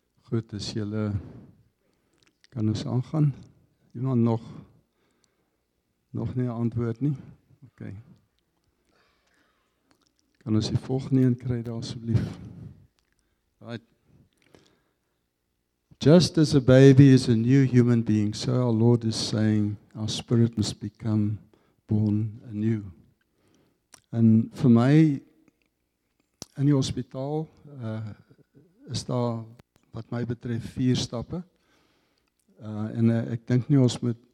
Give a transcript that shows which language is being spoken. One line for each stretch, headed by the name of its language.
Afrikaans: Goed, as julle kan ons aangaan. Iemand nog nie 'n antwoord nie. OK. Kan ons die volgende een kry daar asseblief?
English: Right. Just as a baby is a new human being, so our Lord is saying our spirit must become born anew.
Afrikaans: En vir my in die hospitaal is daar wat my betref 4 stappe. En ek dink nie ons moet